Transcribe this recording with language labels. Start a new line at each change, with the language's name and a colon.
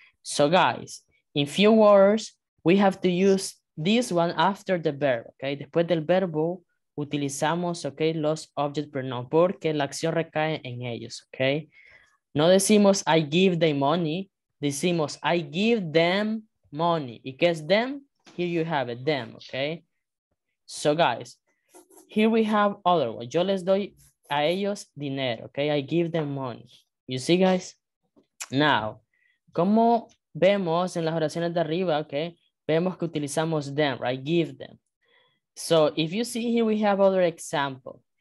English: So guys, in few words, we have to use this one after the verb, okay?
Spanish: Después del verbo, utilizamos, okay, los object pronouns porque la acción recae en ellos, okay? No decimos
English: I give them money.
Spanish: Decimos,
English: I give them money.
Spanish: ¿Y qué es them?
English: Here you have it, them, okay? So, guys, here we have other one.
Spanish: Yo les doy a ellos dinero, okay?
English: I give them money. You see, guys?
Spanish: Now, como vemos en las oraciones de arriba, okay? Vemos que utilizamos them,
English: right? Give them. So, if you see here, we have other example.